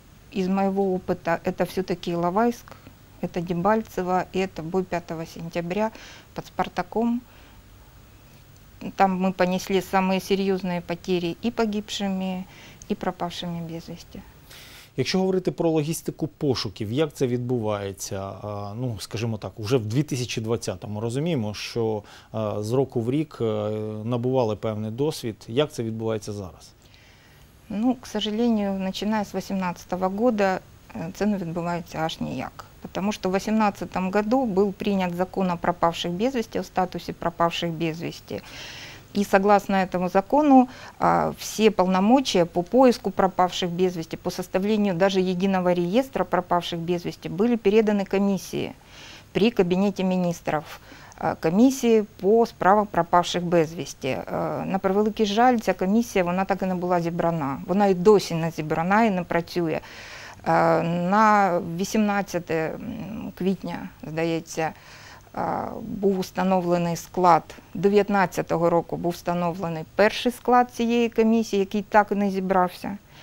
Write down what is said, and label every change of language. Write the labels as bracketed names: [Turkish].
[Russian] Из моего опыта – это все-таки Иловайск, это Дебальцево, и это бой 5 сентября под Спартаком. Там мы понесли самые серьезные потери и погибшими, [Ukrainian] і пропавшими без вісті. Якщо говорити про логістику пошуків, як це відбувається, ну, скажімо так, уже в 2020-му розуміємо, що з року в рік набували певний досвід. Як це відбувається зараз? Ну, [Russian] к сожалению, [Ukrainian] починаючи з 2018 року, це не відбувається аж ніяк. Тому що в 2018 році був прийнятий закон [Russian] о пропавших [Ukrainian] без вісті, у статусі пропавших без вісті. [Russian] И согласно этому закону, все полномочия по поиску пропавших без вести, по составлению даже единого реестра пропавших без вести, были переданы комиссии при Кабинете министров, комиссии по справам пропавших без вести. [Ukrainian] На превеликий жаль, [Russian] эта комиссия, она так и не была [Ukrainian] зібрана. [Russian] Она и до сих пор [Ukrainian] зібрана и не працює. На 18 квітня, здається, був встановлений склад, 19-го року був встановлений перший склад цієї комісії, який так і не зібрався.